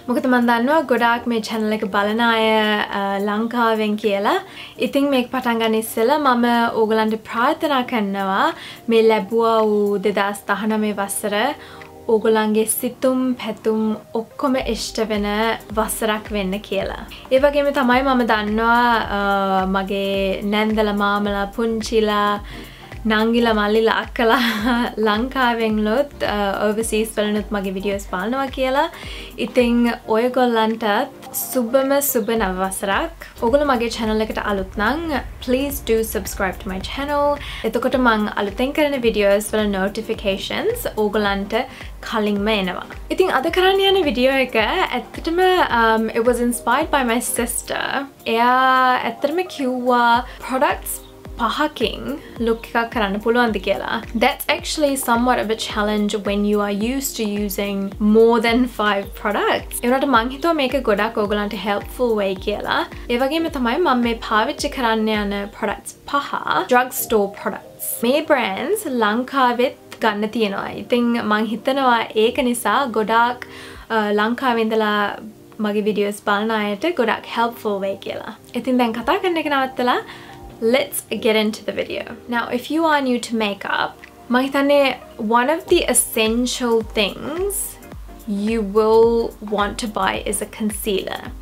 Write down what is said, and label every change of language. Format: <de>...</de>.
<si>Mokada man dannawa godak me channel ekak balana aya Lankawen kiyala. Iting meka patang ganna issela mama ogalanta prarthana karanawa me labuwa u 2019 vasara ඕගොල්ලන්ගේ සිතුම් පැතුම් ඔක්කොම ඉෂ්ට වෙන වසරක් වෙන්න කියලා. ඒ වගේම තමයි මම දන්නවා මගේ නැන්දලා මාමලා පුංචිලා නංගිලා මල්ලිලා අක්කලා ලංකාවෙන් ලොත් overseas වලනොත් මගේ videos බලනවා කියලා. ඉතින් ඔයගොල්ලන්ටත් සුබම සුබ නව වසරක්. ඕගොල්ලෝ මගේ channel එකට අලුත් නම්</si> <en>please do subscribe to my channel.</en> <si>එතකොට මං අලුතෙන් කරන videos වල notifications ඕගොල්ලන්ට කලින්ම එනවා. ඉතින් අද කරන්න යන video එක ඇත්තටම</si> <en>it was inspired by my sister.</en> <si>එයා ඇත්තටම කිව්වා products පහකින් look එකක් කරන්න පුළුවන්ද කියලා.</si> <en>That's actually somewhat of a challenge when you are used to using more than 5 products.</en> <si>ඒ වගේම මං හිතුවා මේක ගොඩක් ඕගලන්ට helpful way කියලා. ඒ වගේම තමයි මම මේ පාවිච්චි කරන්න යන products පහ drugstore products. මේ brands ලංකාවෙත් ගන්න තියෙනවා. ඉතින් මං හිතනවා ඒක නිසා ගොඩක් ලංකාවේ ඉඳලා මගේ videos බලන අයට ගොඩක් helpful way කියලා. ඉතින් දැන් කතා කරන්න එක නවත්තලා</si> <en>Let's get into the video. Now, if you are new to makeup, one of the essential things you will want to buy is a concealer.</en>